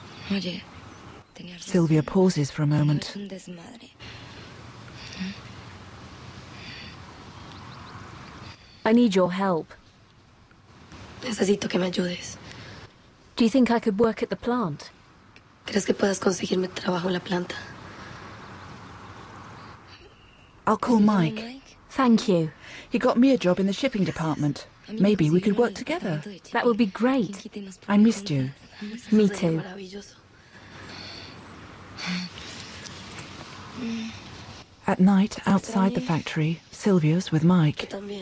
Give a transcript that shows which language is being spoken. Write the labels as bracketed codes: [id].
[es] Oye. [en] Sylvia pauses for a moment. I need your help. [es] Necesito que me ayudes. [en] Do you think I could work at the plant? [es] ¿Crees que puedas conseguirme trabajo en la planta? [en] I'll call Mike. Thank you. He got me a job in the shipping department. Maybe we could work together. That would be great. I missed you. Me too. At night, outside the factory, Sylvia's with Mike.